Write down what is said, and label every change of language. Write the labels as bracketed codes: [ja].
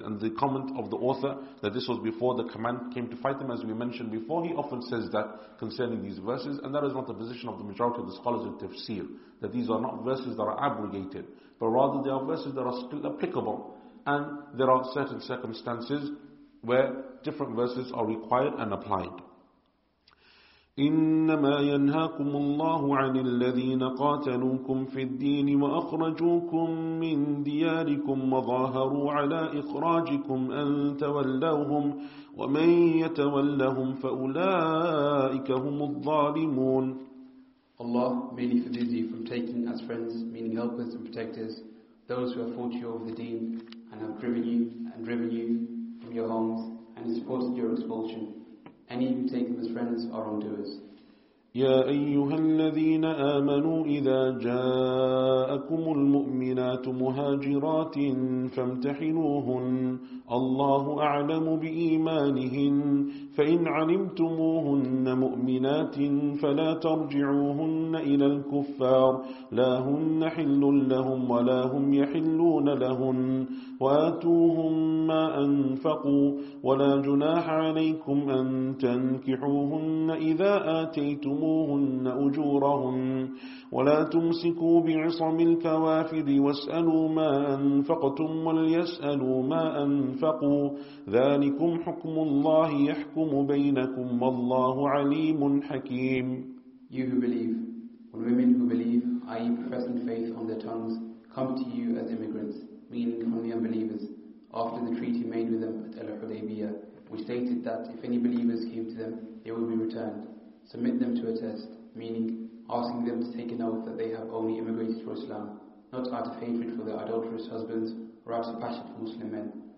[en] And the comment of the author that this was before the command came to fight them, as we mentioned before, he often says that concerning these verses, and that is not the position of the majority of the scholars in tafsir, that these are not verses that are abrogated, but rather they are verses that are still applicable, and there are certain circumstances where different verses are required and applied. [ar] إنما ينهاكم الله عن الذين قاتلوكم في الدين وأخرجوكم من دياركم وظاهروا على إخراجكم أن تولوهم ومن يتولهم فأولئك هم الظالمون. [en] Allah merely forbids you from taking as friends, meaning helpers and protectors, those who have fought you over the deen and have driven you and driven you from your homes and have supported your expulsion. Any who take them as friends are wrongdoers. [ar] يا أيها الذين آمنوا إذا جاءكم المؤمنات مهاجرات فامتحنوهن الله أعلم بإيمانهن فإن علمتموهن مؤمنات فلا ترجعوهن إلى الكفار لا هن حل لهم ولا هم يحلون لهن وآتوهم ما أنفقوا ولا جناح عليكم أن تنكحوهن إذا آتيتموهن أجورهن ولا تمسكوا بعصم الكوافر واسألوا ما أنفقتم وليسألوا ما أنفقوا ذلكم حكم الله يحكم بينكم والله عليم حكيم. [en] You who believe, when women who believe, i.e. professing faith on their tongues, come to you as immigrants, meaning from the unbelievers, after the treaty made with them at Al-Hudaybiyah, which stated that if any believers came to them, they would be returned. Submit them to a test, meaning asking them to take an oath that they have only immigrated for Islam, not out of hatred for their adulterous husbands or out of passion for Muslim men.